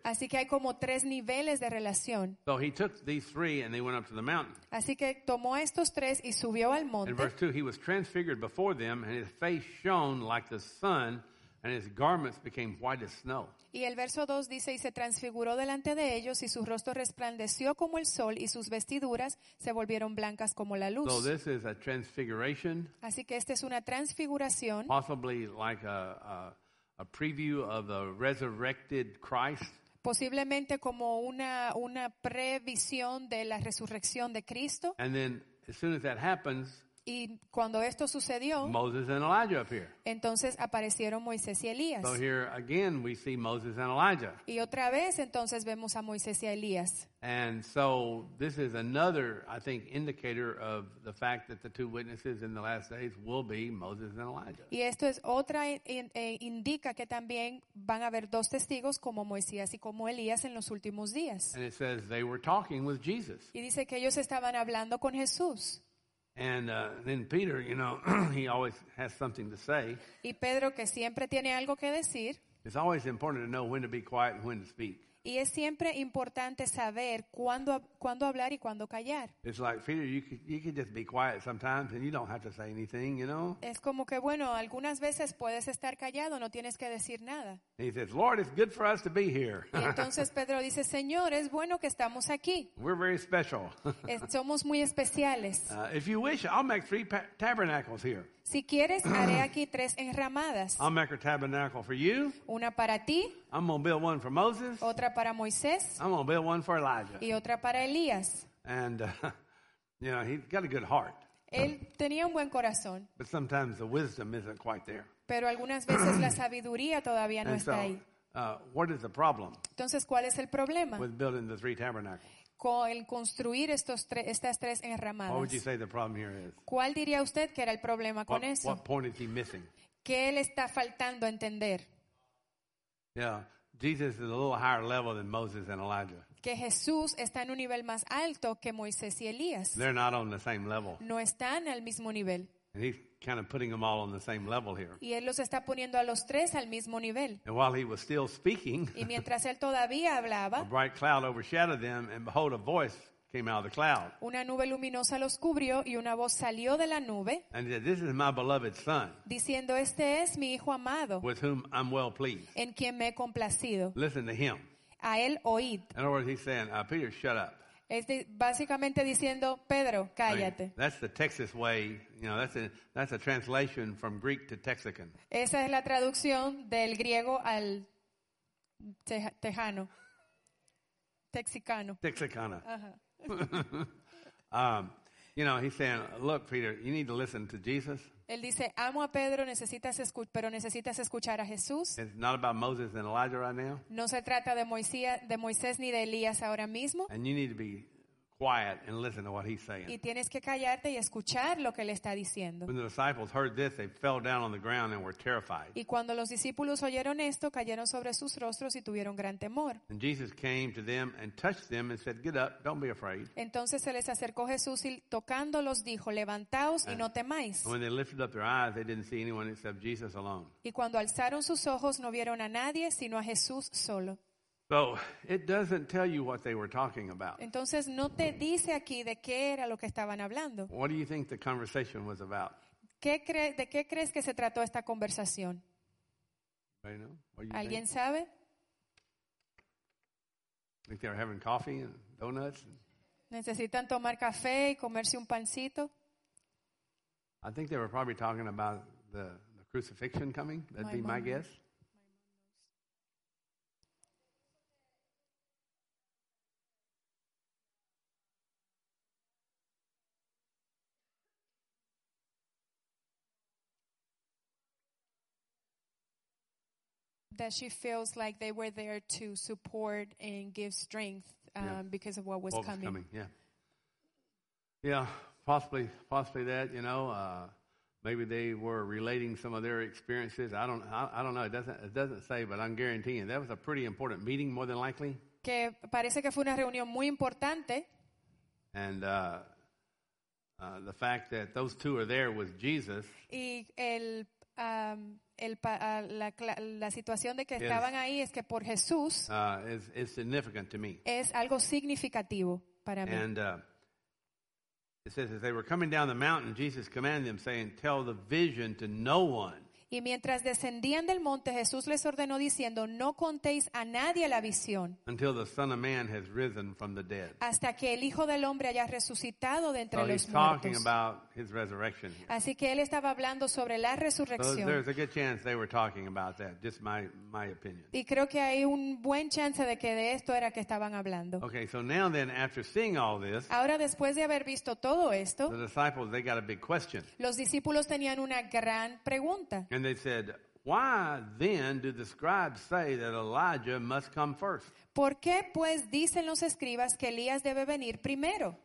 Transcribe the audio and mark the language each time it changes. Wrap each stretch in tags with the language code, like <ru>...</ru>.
<es>Así que hay como tres niveles de relación.</es> <en>So he took these three and they went up to the mountain.</en> <es>Así que tomó estos tres y subió al monte.</es> <en>In verse 2, he was transfigured before them and his face shone like the sun and his garments became white as snow.</en> <es>Y el verso 2 dice, y se transfiguró delante de ellos y su rostro resplandeció como el sol y sus vestiduras se volvieron blancas como la luz.</es> <en>So this is a transfiguration.</en> <es>Así que esta es una transfiguración.</es> <en>Possibly like a preview of the resurrected Christ.</en> <es>Posiblemente como una previsión de la resurrección de Cristo.</es> <en>And then as soon as that happens,</en> <es>y cuando esto sucedió,</es> <en>Moses and Elijah appear.</en> <es>Entonces aparecieron Moisés y Elías.</es> <en>So here again we see Moses and Elijah.</en> <es>Y otra vez entonces vemos a Moisés y a Elías.</es> <en>And so this is another, I think, indicator of the fact that the two witnesses in the last days will be Moses and Elijah.</en> <es>Y esto es otra indica que también van a haber dos testigos como Moisés y como Elías en los últimos días.</es> <en>And it says they were talking with Jesus.</en> <es>Y dice que ellos estaban hablando con Jesús.</es> <en>And then Peter, you know, he always has something to say.</en> <es>Y Pedro, que siempre tiene algo que decir.</es> <en>It's always important to know when to be quiet and when to speak.</en> <es>Y es siempre importante saber cuándo hablar y cuándo callar.</es> <en>It's like, Peter, you could just be quiet sometimes and you don't have to say anything, you know?</en> <es>Es como que, bueno, algunas veces puedes estar callado, no tienes que decir nada.</es> <en>And he says, Lord, it's good for us to be here.</en> <es>Y entonces Pedro dice, Señor, es bueno que estamos aquí.</es> <en>We're very special.</en> <es>Somos muy especiales.</es> <en>If you wish, I'll make 3 tabernacles here.</en> <es>Si quieres, haré aquí 3 enramadas.</es> <en>I'll make a tabernacle for you.</en> <es>Una para ti.</es> <en>I'm going to build one for Moses.</en> <es>Otra para Moisés.</es> <en>I'm going to build one for Elijah.</en> <es>Y otra para Elías.</es> <en>And, you know, he got a good heart.</en> <es>Él tenía un buen corazón.</es> <en>But sometimes the wisdom isn't quite there.</en> <es>Pero algunas veces la sabiduría todavía no</es> <en>and</en> <es>está</es> <en>so,</en> <es>ahí.</es> <en>What is the problem?</en> <es>Entonces, ¿cuál es el problema?</es> <en>With building the 3 tabernacles.</en> <es>Con el construir estas 3 enramadas.</es> <en>What would you say the problem here is?</en> <es>¿Cuál diría usted que era el problema con</es> <en>what,</en> <es>eso?</es> <en>What point is he missing?</en> <es>¿Qué le está faltando entender?</es> <en>Yeah, Jesus is a little higher level than Moses and Elijah.</en> <es>Que Jesús está en un nivel más alto que Moisés y Elías.</es> <en>They're not on the same level.</en> <es>No están al mismo nivel.</es> <en>And he's kind of putting them all on the same level here.</en> <es>Y él los está poniendo a los 3 al mismo nivel.</es> <en>And while he was still speaking,</en> <es>y mientras él todavía hablaba,</es> <en>a bright cloud overshadowed them, and behold, a voice came out of the cloud.</en> <es>Una nube luminosa los cubrió y una voz salió de la nube.</es> <en>And said, "This is my beloved son."</en> <es>Diciendo, "Este es mi hijo amado."</es> <en>With whom I'm well pleased.</en> <es>En quien me he complacido.</es> <en>Listen to him.</en> <es>A él oíd.</es> <en>In other words, he's saying, "Peter, shut up."</en> <es>Básicamente diciendo, Pedro, cállate.</es> <en>I mean, that's the Texas way. You know, that's a translation from Greek to Texican.</en> <es>Esa es la traducción del griego al tejano. Texicano. Texicana. Ajá.</es> <en>You know, he's saying, "Look, Peter, you need to listen to Jesus."</en> <es>Él dice, "Amo a Pedro, necesitas escuchar a Jesús."</es> <en>It's not about Moses and Elijah right now.</en> <es>No se trata de Moisés ni de Elías ahora mismo.</es> <en>And you need to be quiet and listen to what he's saying.</en> <es>Y tienes que callarte y escuchar lo que le está diciendo.</es> <en>When the disciples heard this, they fell down on the ground and were terrified.</en> <es>Y cuando los discípulos oyeron esto, cayeron sobre sus rostros y tuvieron gran temor.</es> <en>And Jesus came to them and touched them and said, "Get up, don't be afraid."</en> <es>Entonces se les acercó Jesús y tocándolos dijo, "Levantaos y no temáis."</es> <en>And when they lifted up their eyes, they didn't see anyone except Jesus alone.</en> <es>Y cuando alzaron sus ojos, no vieron a nadie sino a Jesús solo.</es> <en>So it doesn't tell you what they were talking about.</en> <es>Entonces no te dice aquí de qué era lo que estaban hablando.</es> <en>What do you think the conversation was about?</en> <es>¿De qué crees que se trató esta conversación?</es> <en>Anybody know? What do you</en> <es>¿Alguien</es> <en>think?</en> <es>Sabe?</es> <en>I think they were having coffee and donuts.</en> <es>¿Necesitan tomar café y comerse un pancito?</es> <en>I think they were probably talking about the crucifixion coming. That'd my be mama. My guess. That she feels like they were there to support and give strength because of what was coming. Yeah, possibly that, you know. Maybe they were relating some of their experiences. I don't know. It doesn't say, but I'm guaranteeing that was a pretty important meeting, more than likely.</en> <es>Que parece que fue una reunión muy importante.</es> <en>And the fact that those two are there with Jesus.</en> <es>Y la situación de que estaban ahí es que por Jesús</es> <en>is significant to me.</en> <es>Es algo significativo para mí.</es> <en>And it says, as they were coming down the mountain, Jesus commanded them, saying, "Tell the vision to no one."</en> <es>Y mientras descendían del monte, Jesús les ordenó diciendo, no contéis a nadie la visión.</es> <en>Until the Son of Man has risen from the dead.</en> <es>Hasta que el Hijo del Hombre haya resucitado de entre</es> <en>so</en> <es>los</es> <en>he's</en> <es>muertos.</es> <en>Talking about his resurrection here.</en> <es>Así que él estaba hablando sobre la resurrección.</es> <en>So there's a good chance they were talking about that, just my opinion.</en> <es>Y creo que hay un buen chance de que de esto era que estaban hablando.</es> <en>Okay, so now then, after seeing all this,</en> <es>ahora después de haber visto todo esto,</es> <en>the disciples, they got a big question.</en> <es>Los discípulos tenían una gran pregunta.</es> <en>And they said, why then do the scribes say that Elijah must come first?</en> <es>¿Por qué pues dicen los escribas que Elías debe venir primero?</es>